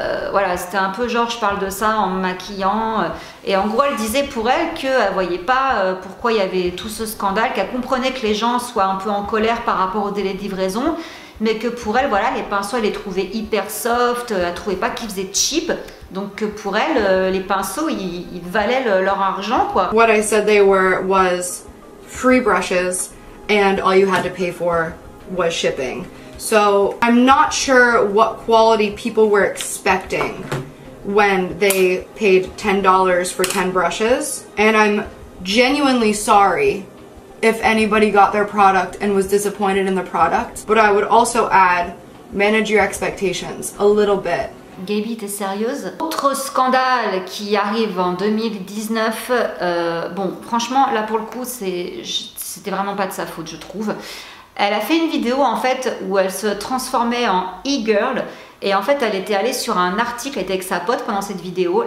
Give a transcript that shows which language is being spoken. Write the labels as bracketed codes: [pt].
[fr] Voilà, c'était un peu genre je parle de ça en me maquillant. Et en gros elle disait pour elle qu'elle voyait pas pourquoi il y avait tout ce scandale, qu'elle comprenait que les gens soient un peu en colère par rapport au délai de livraison, mais que pour elle, voilà, les pinceaux, elle les trouvait hyper soft, elle trouvait pas qu'ils faisaient cheap, donc que pour elle, les pinceaux, ils valaient leur argent, quoi. [en] What I said they were was free brushes, and all you had to pay for was shipping. So, I'm not sure what quality people were expecting when they paid $10 for 10 brushes, and I'm genuinely sorry if anybody got their product and was disappointed in the product. But I would also add, manage your expectations a little bit. [fr] Gaby, t'es sérieuse? Autre scandale qui arrive en 2019, bon, franchement, là pour le coup, c'était vraiment pas de sa faute, je trouve. Elle a fait une vidéo, en fait, où elle se transformait en e-girl. Et en fait, elle était allée sur un article, elle était avec sa pote pendant cette vidéo.